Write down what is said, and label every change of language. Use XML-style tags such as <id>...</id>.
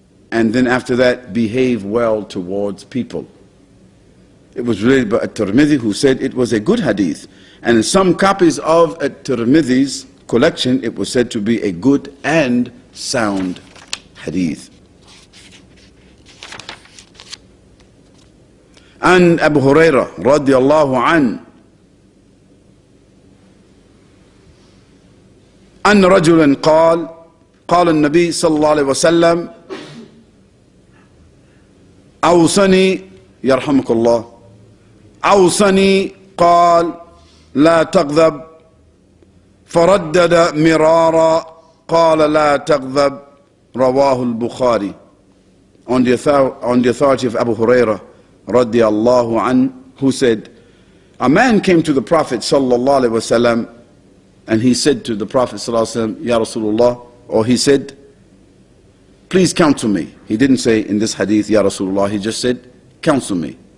<en>And then after that, behave well towards people. It was related by At-Tirmidhi, who said it was a good hadith. And in some copies of At-Tirmidhi's collection, it was said to be a good and sound hadith.</en> <ar>عن أبو هريرة رضي الله عنه أن رجلا قال النبي صلى الله عليه وسلم أوصني يرحمك الله أوصني قال لا تغضب فردد مرارا قال لا تغضب رواه البخاري</ar> <en>on the authority of Abu Huraira</en> <ar>رضي الله عنه</ar> <en>who said A man came to the Prophet sallallahu alaihi wasallam, and he said to the Prophet sallallahu alaihi wasallam, "Ya Rasulullah," or he said, "Please counsel me." He didn't say in this hadith, "Ya Rasulullah." He just said, "Counsel me."</en>